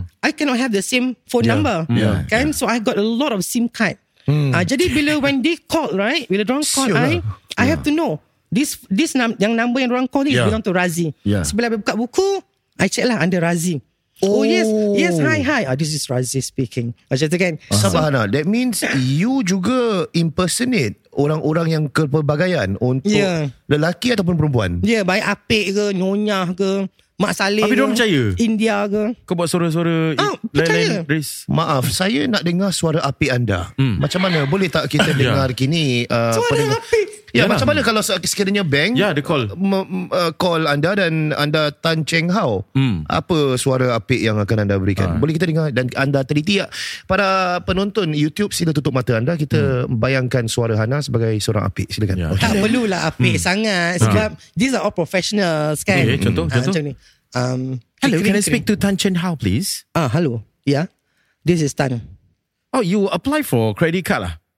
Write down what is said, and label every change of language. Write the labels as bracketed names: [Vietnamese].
[English] I cannot have the same phone number. Kan? So, I got a lot of SIM card. [Malay] Jadi bila [English] when they call, right? [Malay] Bila diorang call, [English] I have to know this yang number yang orang call ni belong to Razi. Yeah. [Malay] Sebelum saya buka buku, [English] I check lah under Razi. Oh yes, yes, hi. Oh, this is Razi speaking. [Malay] Macam tu kan. Sabahana, [English] that means you [Malay] juga impersonate orang-orang yang kepelbagaian untuk lelaki ataupun perempuan. Ya, yeah, baik apik ke, nyonyah ke, Mak Saleh. Tapi diorang percaya? India ke. Kau buat suara-suara lain-lain race. Maaf, saya nak dengar suara apik anda. Macam mana, boleh tak kita dengar kini? Suara apik. Ya, macam mana kalau sekiranya bank [English] call [Malay] anda dan anda Tan Cheng Hao, apa suara apik yang akan anda berikan? Boleh kita dengar dan anda teliti ya. Para penonton YouTube, sila tutup mata anda. Kita bayangkan suara Hana sebagai seorang apik. Silakan. Ya. Okay. Tak perlulah apik sangat. [English] Sebab these are all professionals, kan? [Malay] Okay, contoh, contoh. Ni. [English] Hello, can I speak to Tan Cheng Hao, please? Ah, hello. Yeah, this is Tan. Oh, you apply for credit card lah?